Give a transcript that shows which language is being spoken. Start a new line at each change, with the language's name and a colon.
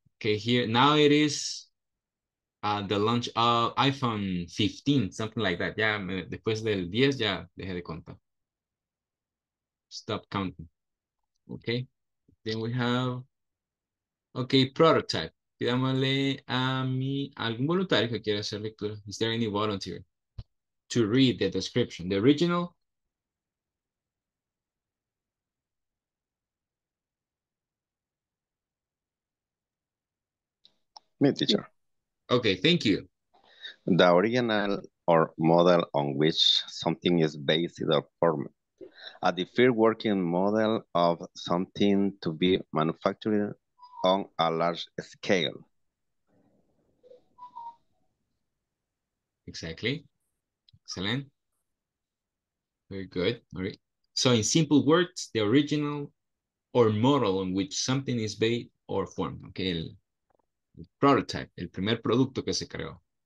English: Ok, here, now it is the launch of iPhone 15, something like that.
Spanish: Ya, después del 10, ya dejé de contar.
English: Stop counting. Ok, then we have... Ok, prototype.
Spanish: Pidámosle a algún voluntario que quiera hacer lectura.
English: Is there any volunteer to read the description? The original? Me, teacher. Ok, thank you. The original or model on which something is based or formed. A deferred working model of something to be manufactured on a large scale. Exactly. Excellent. Very good. All right. So in simple words, the original or model on which something is based or formed. Okay.
Spanish: El prototype, el primer producto que se creó.